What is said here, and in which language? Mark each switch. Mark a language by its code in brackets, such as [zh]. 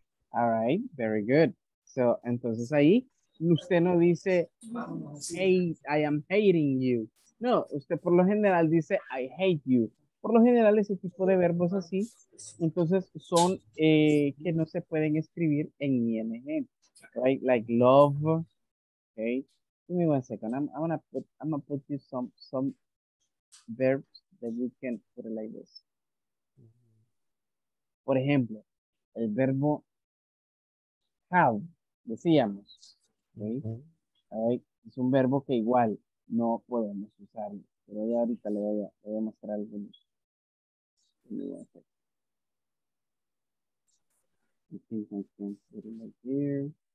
[en] All right, very good. So, entonces ahí, usted no dice, hate, I am hating you. [es] No, usted por lo general dice, I hate you. Por lo general, ese tipo de verbos así, entonces son que no se pueden escribir en ING, right? [en] Like love, okay? Give me 1 second. I'm gonna put you some verbs that you can put it like this. Por ejemplo, [es] por ejemplo, el verbo have, decíamos, ¿sí? Mm-hmm. Es un verbo que igual no podemos usarlo, pero ya ahorita le voy a mostrar algunos. [en] I think I can put it right here.